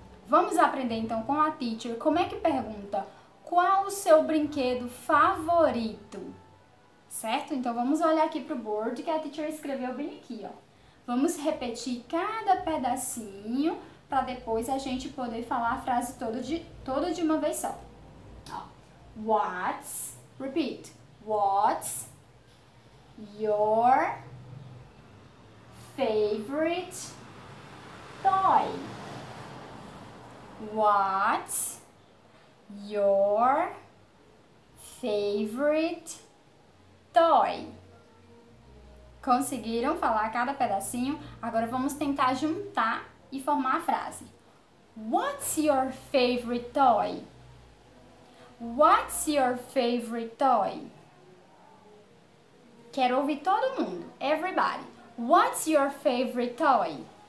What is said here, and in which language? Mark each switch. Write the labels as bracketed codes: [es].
[pt] Vamos aprender então com a teacher como é que pergunta qual o seu brinquedo favorito. Certo? Então, vamos olhar aqui para o board que a teacher escreveu bem aqui, ó. Vamos repetir cada pedacinho para depois a gente poder falar a frase toda de uma vez só. Ó. [en] What's, repeat, what's your favorite toy? What's your favorite favorite toy. [pt] Conseguiram falar cada pedacinho? Agora vamos tentar juntar e formar a frase. [en] What's your favorite toy? What's your favorite toy? [pt] Quero ouvir todo mundo. [en] Everybody. What's your favorite toy?